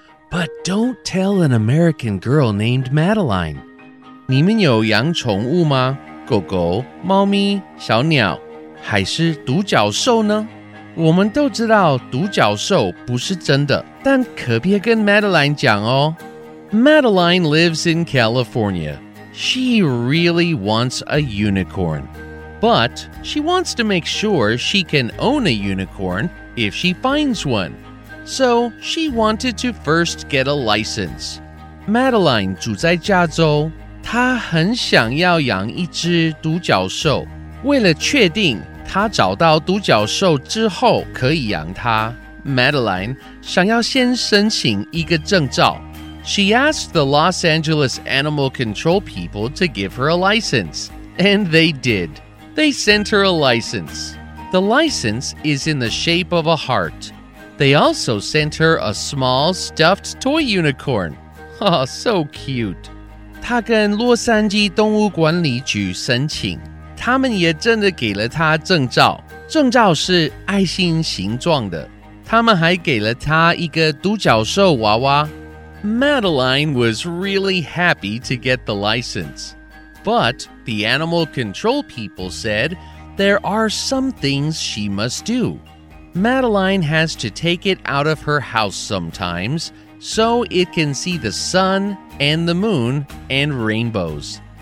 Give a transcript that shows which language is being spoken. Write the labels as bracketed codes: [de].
[en] But don't tell an American girl named Madeline. [zh] 你们有养宠物吗？狗狗、猫咪、小鸟，还是独角兽呢？我们都知道独角兽不是真的，但可别跟 Madeline 讲哦。 [en] Madeline lives in California. She really wants a unicorn. But she wants to make sure she can own a unicorn if she finds one. So she wanted to first get a license. [zh] Madeline 住在加州，她很想要养一只独角兽，为了确定他找到独角兽之后可以养他。 Madeline 想要先申请一个证照。 [en] She asked the Los Angeles Animal Control people to give her a license. And they did. They sent her a license. The license is in the shape of a heart. They also sent her a small stuffed toy unicorn. Oh, so cute. [zh] 他跟洛杉矶动物管理局申请。他们也真的给了他证照，证照是爱心形状的。他们还给了他一个独角兽娃娃。 [en] Madeline was really happy to get the license. But the animal control people said there are some things she must do. Madeline has to take it out of her house sometimes so it can see the sun and the moon and rainbows.